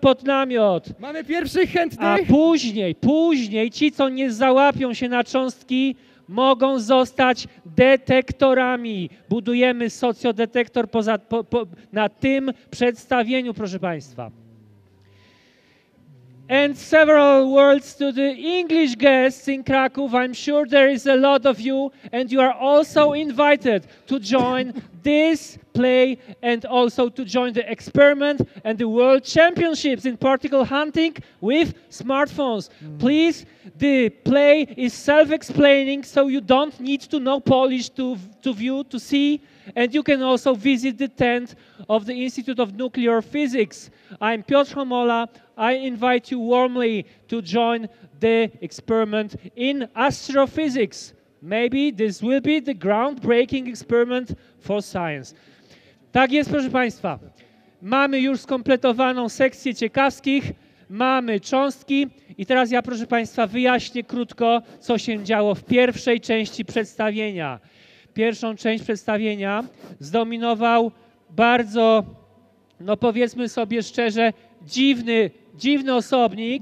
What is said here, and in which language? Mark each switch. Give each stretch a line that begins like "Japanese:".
Polish: Pod namiot. Mamy pierwszych chętnych. A później ci, co nie załapią się na cząstki, mogą zostać detektorami. Budujemy socjodetektor na tym przedstawieniu, proszę Państwa.
English: And several words to the English guests in Kraków. I'm sure there is a lot of you, and you are also invited to join this play and also to join the experiment and the world championships in particle hunting with smartphones. Please, the play is self-explaining, so you don't need to know Polish to view, to see. And you can also visit the tent of the Institute of Nuclear Physics. I'm Piotr Homola. I invite you warmly to join the experiment in astrophysics. Maybe this will be the groundbreaking experiment for science.
Polish: Tak jest, proszę Państwa. Mamy już skompletowaną sekcję ciekawskich. Mamy cząstki. I teraz ja, proszę Państwa, wyjaśnię krótko, co się działo w pierwszej części przedstawienia. Pierwszą część przedstawienia zdominował bardzo, no powiedzmy sobie szczerze, dziwny osobnik.